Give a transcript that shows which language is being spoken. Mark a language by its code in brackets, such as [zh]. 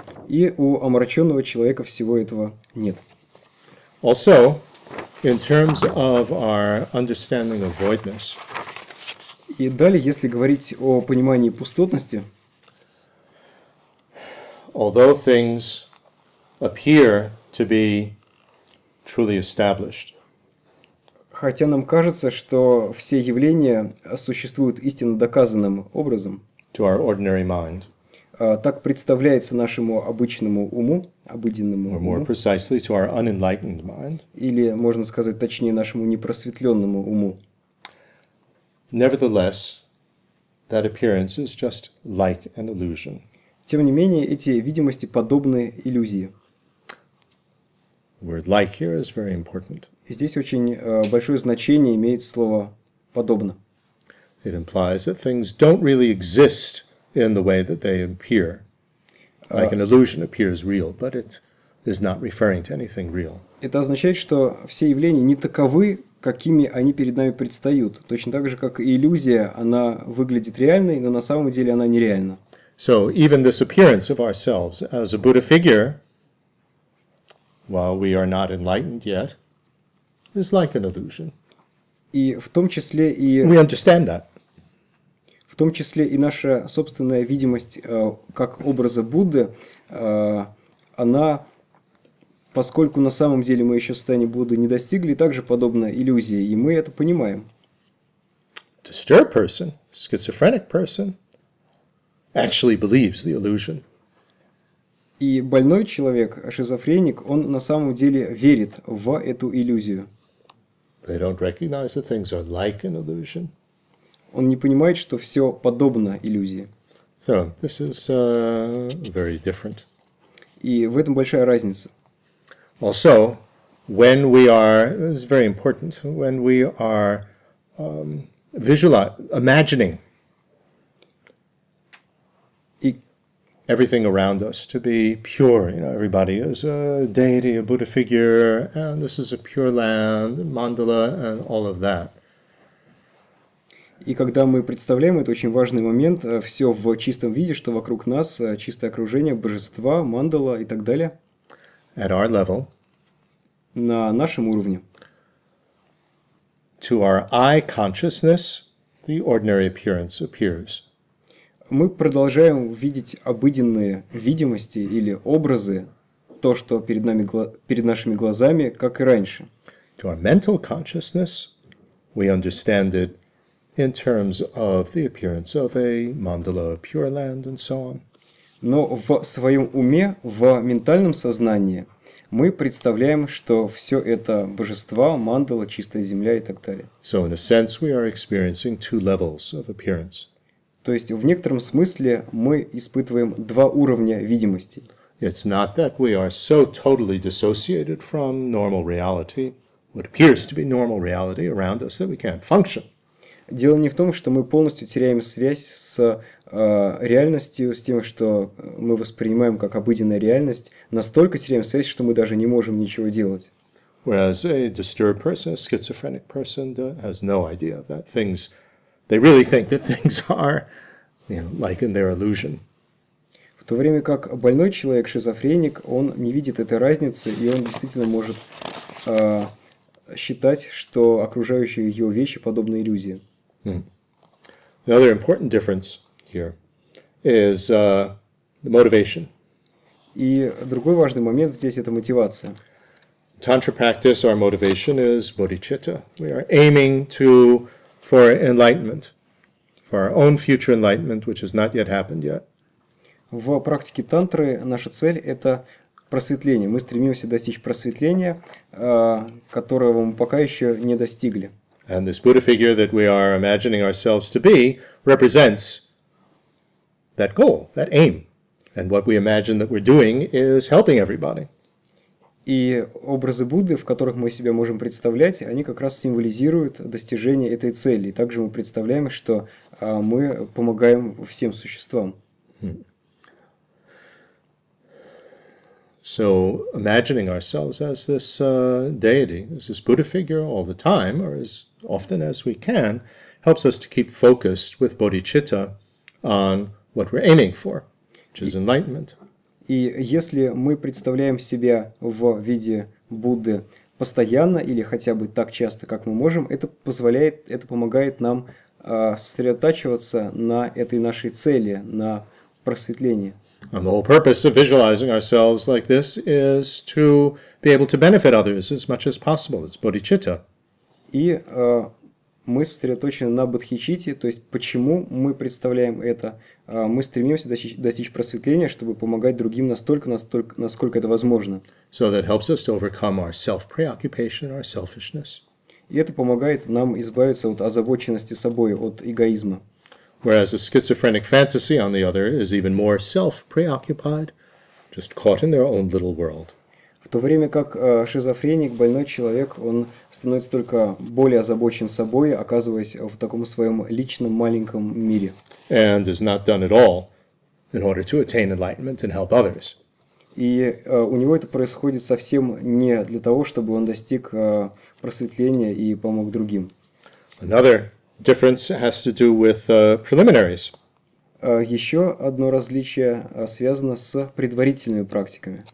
[ru] И у омраченного человека всего этого нет. [en] Also, in terms of our understanding of voidness, [ru] И далее, если говорить о понимании пустотности, [en] although things appear to be truly established, [ru] хотя нам кажется, что все явления существуют истинно доказанным образом, [en] to our ordinary mind, [ru] так представляется нашему обычному уму, [en] or [ru] обыденному [en] more [ru] уму, [en] precisely, to our unenlightened mind. [ru] или, можно сказать, точнее, нашему непросветленному уму. [en] Nevertheless, that appearance is just like an illusion. [ru] Тем не менее, эти видимости подобны иллюзии. [en] Word like here is very important. [ru] И здесь очень большое значение имеет слово «подобно». [en] It implies that things don't really exist in the way that they appear. Like an illusion appears real, but it is not referring to anything real. [ru] Это означает, что все явления не таковы, какими они перед нами предстают. Точно так же, как и иллюзия, она выглядит реальной, но на самом деле она нереальна. [en] So even this appearance of ourselves as a Buddha figure, while we are not enlightened yet, is like an illusion. [ru] И в том числе и [en] We understand that. [ru] В том числе и наша собственная видимость как образа Будды, она поскольку на самом деле мы еще состояния Будды не достигли, также подобна иллюзии, и мы это понимаем. [en] Disturbed person, schizophrenic person, actually believes the illusion. [ru] И больной человек, шизофреник, он на самом деле верит в эту иллюзию. [en] They don't recognize that things are like an illusion. [ru] Он не понимает, что все подобно иллюзии. [en] So, this is very different. [ru] И в этом большая разница. [en] Also, when we are, this is very important, when we are imagining everything around us to be pure, you know, everybody is a deity, a Buddha figure, and this is a pure land, mandala, and all of that. [ru] И когда мы представляем, это очень важный момент, все в чистом виде, что вокруг нас, чистое окружение, божества, мандала и так далее. [en] At our level. [ru] На нашем уровне. [en] To our eye consciousness, the ordinary appearance appears. [ru] Мы продолжаем видеть обыденные видимости или образы, то, что перед нами, перед нашими глазами, как и раньше. [en] To our mental consciousness, we understand it in terms of the appearance of a mandala, pure land, and so on. [ru] Но в своем уме, в ментальном сознании, мы представляем, что все это божества, мандала, чистая земля и так далее. [en] So in a sense, we are experiencing two levels of appearance. [ru] То есть в некотором смысле мы испытываем два уровня видимости. [en] It's not that we are so totally dissociated from normal reality, what appears to be normal reality around us, that we can't function. [ru] Дело не в том, что мы полностью теряем связь с реальностью, с тем, что мы воспринимаем как обыденная реальность, настолько теряем связь, что мы даже не можем ничего делать. [en] Whereas a disturbed person, a schizophrenic person, has no idea that things, they really think that things are, you know, like in their illusion. [ru] В то время как больной человек, шизофреник, он не видит этой разницы, и он действительно может считать, что окружающие его вещи подобны иллюзии. [en] Another important difference here is the motivation. [ru] И другой важный момент здесь – это мотивация. [en] In tantra practice, our motivation is bodhicitta. We are aiming to for enlightenment, for our own future enlightenment, which has not yet happened yet. [ru] В практике тантры наша цель – это просветление. Мы стремимся достичь просветления, которого мы пока еще не достигли. [en] And this Buddha figure that we are imagining ourselves to be represents that goal, that aim. And what we imagine that we're doing is helping everybody. [ru] И образы Будды, в которых мы себя можем представлять, они как раз символизируют достижение этой цели. И также мы представляем, что мы помогаем всем существам. [en] So, imagining ourselves as this deity, as this Buddha figure all the time, or as often as we can, helps us to keep focused with bodhicitta on what we're aiming for, which is enlightenment. [ru] И если мы представляем себя в виде Будды постоянно или хотя бы так часто, как мы можем, это позволяет, это помогает нам сосредотачиваться на этой нашей цели, на просветлении. [en] And the whole purpose of visualizing ourselves like this is to be able to benefit others as much as possible. It's bodhicitta. [ru] И мы сосредоточены на бодхичитте, то есть почему мы представляем это. Мы стремимся достичь просветления, чтобы помогать другим настолько, насколько это возможно. [en] So that helps us to overcome our self-preoccupation, our selfishness. [ru] И это помогает нам избавиться от озабоченности собой, от эгоизма. [en] Whereas a schizophrenic fantasy, on the other, is even more self-preoccupied, just caught in their own little world. [ru] В то время как шизофреник, больной человек, он становится только более озабочен собой, оказываясь в таком своем личном маленьком мире. [en] And is not done at all in order to attain enlightenment and help others. [ru] И у него это происходит совсем не для того, чтобы он достиг просветления и помог другим. [en] Another difference has to do with preliminaries. [ru] Еще одно различие связано с предварительными практиками.